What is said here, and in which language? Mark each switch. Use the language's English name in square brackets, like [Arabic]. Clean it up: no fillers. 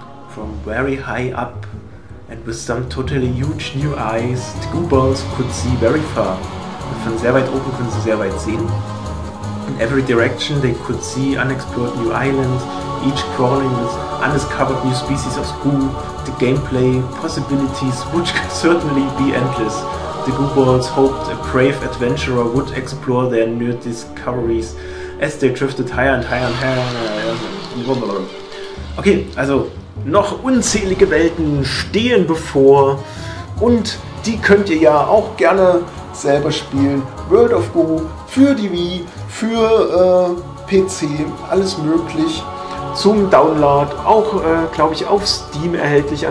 [English] From very high up and with some totally huge new eyes, the Goobas could see very far. [German] Und von sehr weit oben können sie sehr weit sehen. [English] In every direction they could see unexplored new islands, each crawling with undiscovered new species of goo. The gameplay possibilities would certainly be endless. The Goobas hoped a brave adventurer would explore their new discoveries as they drifted higher and higher and higher. [German] Okay, also noch unzählige Welten stehen bevor und die könnt ihr ja auch gerne selber spielen. World of Goo für die Wii, für PC, alles möglich zum Download, auch glaube ich auf Steam erhältlich.